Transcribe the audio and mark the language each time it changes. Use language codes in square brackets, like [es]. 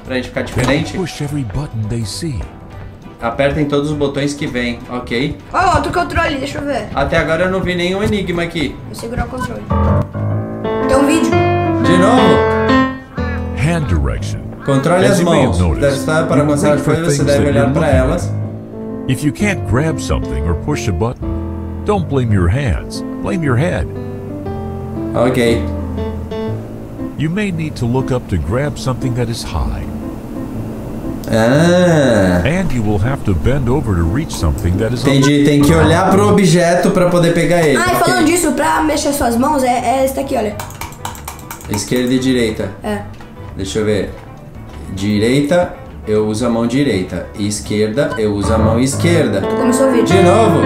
[pt] Pra gente ficar diferente. [en] Push every button they see. [pt] Apertem todos os botões que vem, ok? Ó, outro controle, deixa eu ver. Até agora eu não vi nenhum enigma aqui. Vou segurar o controle. Tem um vídeo. De novo? [en] Hand direction. [pt] Controle as mãos. Deve estar para mostrar as coisas, você deve olhar pra elas. [en] If you can't grab something or push a button, don't blame your hands, blame your head. [pt] Okay. [en] You may need to look up to grab something that is high. And you will have to bend over to reach something that is... [pt] Entendi, tem que olhar pro objeto para poder pegar ele. Ah, okay. Falando disso, para mexer suas mãos, é esse daqui, olha. Esquerda e direita. É. Deixa eu ver. Direita. Eu uso a mão direita. Esquerda, eu uso a mão esquerda. Começou o vídeo. De novo?